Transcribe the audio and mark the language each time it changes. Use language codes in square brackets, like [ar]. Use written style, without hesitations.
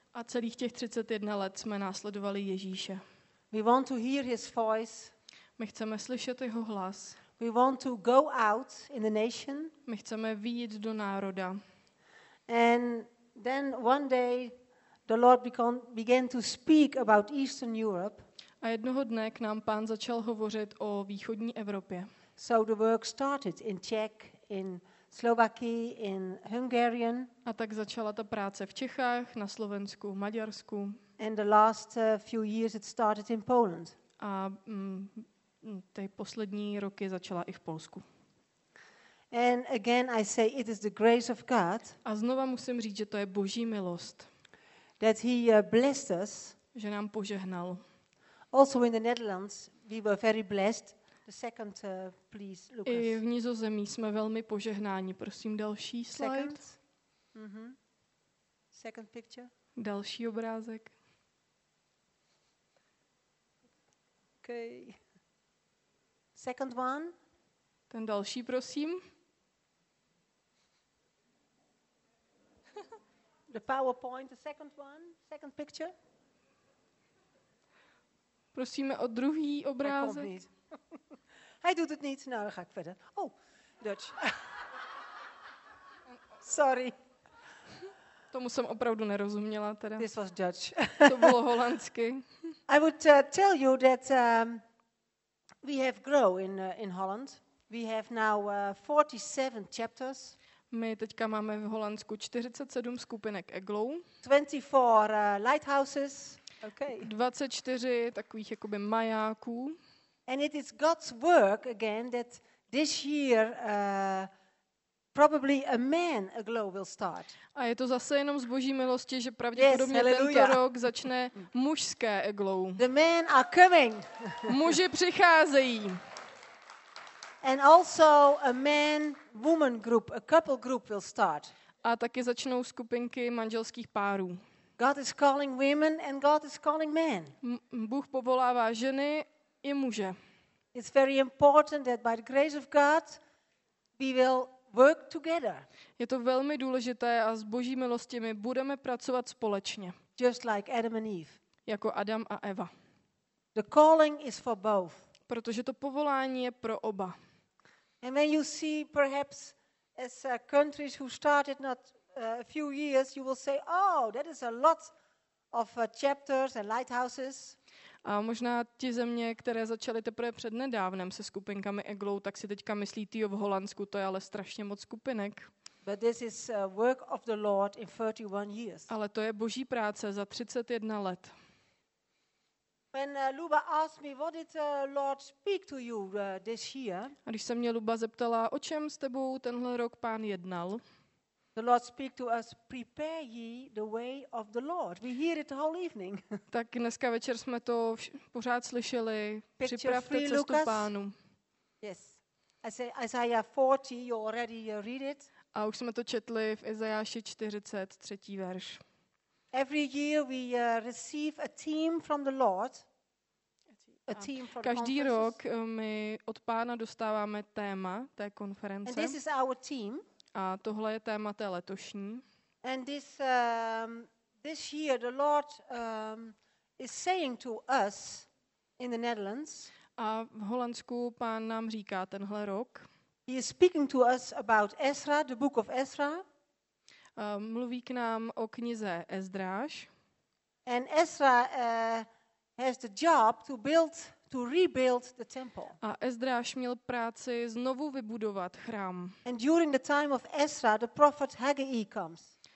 [cs] A celých těch 31 let jsme následovali Ježíše. [en] We want to hear his voice. [cs] My chceme slyšet jeho hlas. [en] We want to go out in the nation. [cs] My chceme vyjít do národa. [en] And then one day the Lord began to speak about Eastern Europe. [cs] A jednoho dne k nám Pán začal hovořit o východní Evropě. [en] So the work started in Czech, in Slovaky, in Hungarian. [cs] A tak začala ta práce v Čechách, na Slovensku, Maďarsku. [en] And the last few years it started in Poland. [cs] A ty poslední roky začala i v Polsku. [en] And again I say it is the grace of God. [cs] A znova musím říct, že to je Boží milost. [en] That he blessed us. [cs] Že nám požehnal. [en] Also in the Netherlands we were very blessed. The second please Lucas. [cs] I v Nizozemí jsme velmi požehnáni. Prosím další slide. [en] Second picture. [cs] Další obrázek. [en] Okay. Second one. [cs] Ten další, prosím. [en] The PowerPoint, the second one, second picture. [cs] Prosíme o druhý obrázek. [nl] komt niet. Hij doet het niet. Nou, dan ga ik verder. [en] Oh, Dutch. Sorry. [cs] Tomu jsem opravdu nerozuměla teda. [en] This was Dutch. [cs] To bylo holandsky. [en] I would tell you that we have grown in Holland. We have now 47 chapters. [cs] My teďka máme v Holandsku 47 skupinek Eglou. [en] 24 lighthouses. Okay. [cs] 24 takových jakoby majáků. [en] And it is God's work again that this year probably a man aglow will start. [cs] A je to zase jenom z Boží milosti, že pravděpodobně [en] yes, [cs] tento rok začne mužské aglow. [en] The men are coming. [cs] Muži přicházejí. [en] And also a man woman group, a couple group will start. [cs] A taky začnou skupinky manželských párů. [en] God is calling women and God is calling men. [cs] Bůh povolává ženy i muže. [en] It's very important that by the grace of God we will work together. [cs] Je to velmi důležité a s Boží milostí my budeme pracovat společně. [en] Just like Adam and Eve. [cs] Jako Adam a Eva. [en] The calling is for both. [cs] Protože to povolání je pro oba. [en] And when you see perhaps as countries who started not a few years, you will say, oh, that is a lot of chapters and lighthouses. [cs] A možná ti země, které začaly teprve před nedávnem se skupinkami Eglou, tak si teďka myslí, tyjo, v Holandsku, to je ale strašně moc skupinek. [en] But this is work of the Lord in 31 years. [cs] Ale to je Boží práce za 31 let. [en] When Luba asked me, what did the Lord speak to you this year? [cs] A když se mě Luba zeptala, o čem s tebou tenhle rok Pán jednal? [en] The Lord speak to us, prepare ye the way of the Lord. We hear it the whole evening. [cs] Tak dneska večer jsme to pořád slyšeli. Připravte cestu Pánu. [en] Yes. Isaiah 40, you already read it. [cs] A už jsme to četli v Izajáši 40, 3. verš. [en] Every year we receive a team from the Lord. A team for [cs] každý rok my od Pána dostáváme téma té konference. [en] And this is our team. [cs] A tohle je téma té letošní. [en] And this this year the Lord is saying to us in the Netherlands. [cs] A v Holandsku Pán nám říká tenhle rok. [en] He is speaking to us about Ezra, the book of Ezra. [cs] Mluví k nám o knize Ezdráš. [en] And Ezra has the job to build, to rebuild the temple. [cs] A Ezdráš měl práci znovu vybudovat chrám. [en] And during the time of Ezra, the prophet Haggai comes.